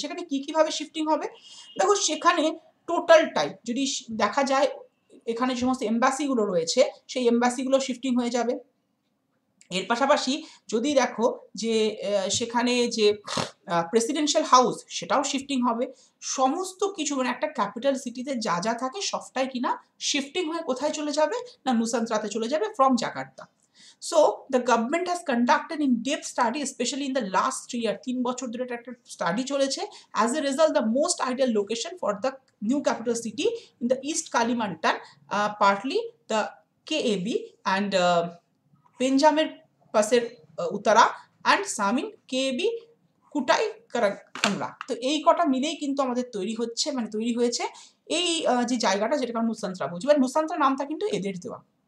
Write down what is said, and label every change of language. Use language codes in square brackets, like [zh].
[bn] সেখানে কী কীভাবে শিফটিং হবে দেখো, সেখানে টোটালটাই যদি দেখা যায়, এখানে সমস্ত এমবাসিগুলো রয়েছে সেই এমবাসিগুলো শিফটিং হয়ে যাবে। এর পাশাপাশি যদি দেখো যে সেখানে যে প্রেসিডেন্সিয়াল হাউস সেটাও শিফটিং হবে, সমস্ত কিছু মানে একটা ক্যাপিটাল সিটিতে যা যা থাকে সবটাই কিনা শিফটিং হয়ে কোথায় চলে যাবে, না নুসান্তরাতে চলে যাবে from Jakarta. [en] So, the government has conducted in-depth study, especially in the last 3 years, [bn] 3 বছর ধরে একটা স্টাডি চলেছে। [en] As a result the most ideal location for the new capital city in the east Kalimantan, partly the KAB and পেঞ্জামের পাশের উত্তরা and সামিন KAB Kutai কারা। [bn] তো এই কটা মিলেই কিন্তু আমাদের তৈরি হচ্ছে, মানে তৈরি হয়েছে এই যে জায়গাটা, যেটা কারণ নুসান্তরা বুঝি, বা নুসান্তরা নামটা কিন্তু এদের দেওয়া।